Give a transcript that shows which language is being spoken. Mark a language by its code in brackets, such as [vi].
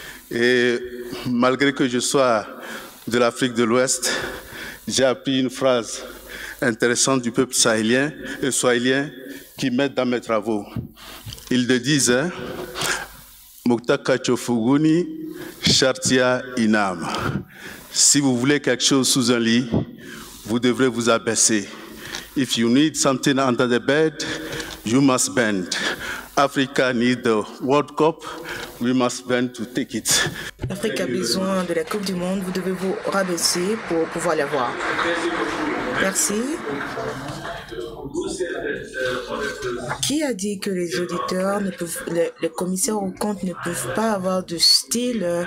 [fr] Et malgré que je sois de l'Afrique de l'Ouest, j'ai appris une phrase intéressante du peuple sahélien et swahélien qui m'aide dans mes travaux. Ils le disent, Moktaka Chofuguni Chartia Inam. Si vous voulez quelque chose sous un lit, vous devrez vous abaisser. [en] If you need something under the bed, you must bend. Africa needs the World Cup, we must bend to take it. [fr] L'Afrique a besoin de la Coupe du Monde, vous devez vous rabaisser pour pouvoir l'avoir. Merci. Qui a dit que les auditeurs ne peuvent, les commissaires aux comptes ne peuvent pas avoir de style?